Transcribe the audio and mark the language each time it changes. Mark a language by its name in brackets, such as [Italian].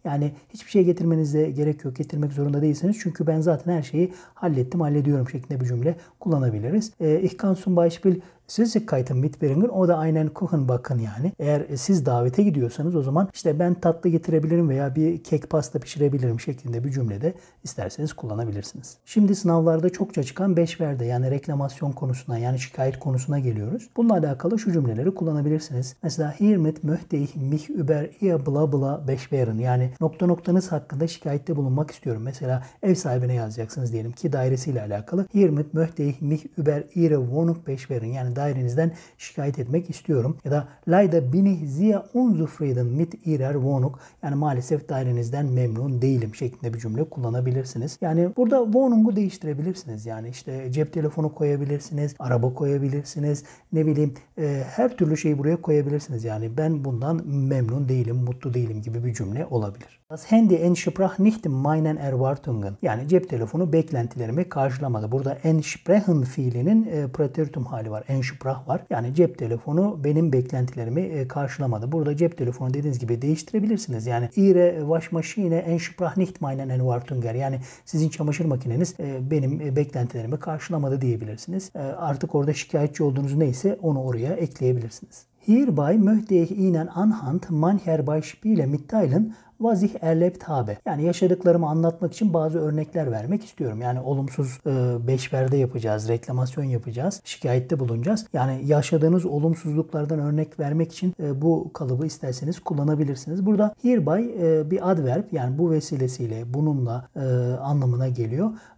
[Turkish] Yani hiçbir şey getirmenize gerek yok, getirmek zorunda değilsiniz. Çünkü ben zaten her şeyi hallettim, hallediyorum şeklinde bir cümle kullanabiliriz. [German] Ich kann zum Beispiel Süßigkeiten mitbringen, [Turkish] o da aynen [German] kuchen [Turkish] bakın yani. Eğer siz davete gidiyorsanız o zaman işte ben tatlı getirebilirim veya bir kek pasta pişirebilirim şeklinde bir cümlede isterseniz kullanabilirsiniz. Şimdi sınavlarda çokça çıkan 5 verde yani reklamasyon konusuna yani şikayet konusuna geliyoruz. Bununla alakalı şu cümleleri kullanabilirsiniz. Mesela [German] hiermit möchte ich mich über ihr bla bla beschweren, [Turkish] yani nokta noktanız hakkında şikayette bulunmak istiyorum. Mesela ev sahibine yazacaksınız diyelim ki dairesiyle alakalı. [German] Hiermit möchte ich mich über ihre Wohnung beschweren, [Turkish] yani dairenizden şikayet etmek istiyorum. Ya da [German] leider bin ich sehr unzufrieden mit ihrer Wohnung, [Turkish] yani maalesef dairenizden memnun değilim şeklinde bir cümle kullanabilirsiniz. Yani burada Wohnung'u değiştirebilirsiniz. Yani işte cep telefonu koyabilirsiniz, araba koyabilirsiniz, ne bileyim her türlü şeyi buraya koyabilirsiniz. Yani ben bundan memnun değilim, mutlu değilim gibi bir cümle olabilir. [German] Das Handy entsprach nicht meinen Erwartungen. [Turkish] Yani cep telefonu beklentilerimi karşılamadı. Burada entsprechen fiilinin preteritum hali var. Entsprach var. Yani cep telefonu benim beklentilerimi karşılamadı. Burada cep telefonu dediğiniz gibi değiştirebilirsiniz. Yani [German] Ihre Waschmaschine entsprach nicht meinen Erwartungen. [Turkish] Yani sizin çamaşır makineniz benim beklentilerimi karşılamadı diyebilirsiniz. Artık orada şikayetçi olduğunuz neyse onu oraya ekleyebilirsiniz. [German] Hierbei möchte ich Ihnen anhand mancher Beispiele mitteilen, was ich erlebt habe. [Turkish] Yani yaşadıklarımı anlatmak için bazı örnekler vermek istiyorum. Yani olumsuz beş perde yapacağız, reklamasyon yapacağız, şikayette bulunacağız. Yani yaşadığınız olumsuzluklardan örnek vermek için bu kalıbı isterseniz kullanabilirsiniz. Burada hereby bir adverb, yani bu vesilesiyle, bununla anlamına geliyor.